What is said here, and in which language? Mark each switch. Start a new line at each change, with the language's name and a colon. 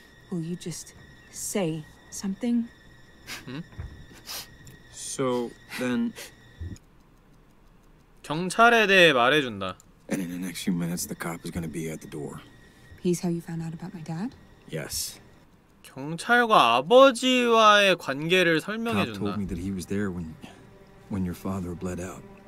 English: Will you just say something? So then...
Korean: 경찰에 대해 말해준다.
English: And in the next few minutes, the cop is gonna be at the door. He's how you found out about my dad? Yes.
Korean: 경찰과 아버지와의 관계를 설명해준다.
English: Cop told me that he was there when your father bled out.